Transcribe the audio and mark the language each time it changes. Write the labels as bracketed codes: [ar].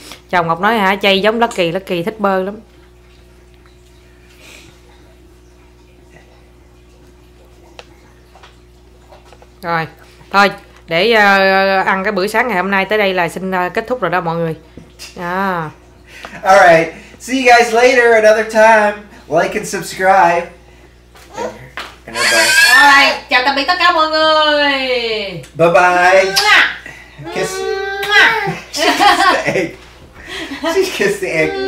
[vi] Chồng Ngọc nói hả, Jay giống Lucky, Lucky thích bơ lắm. Rồi, thôi, để ăn cái bữa sáng ngày hôm nay tới đây là xin kết thúc rồi đó mọi người. À. [en] All right, see you guys later another time. Like and subscribe. [vi] Alright, chào tạm biệt tất cả mọi người. [en] Bye bye. Kiss. She kissed the egg. She kissed the egg.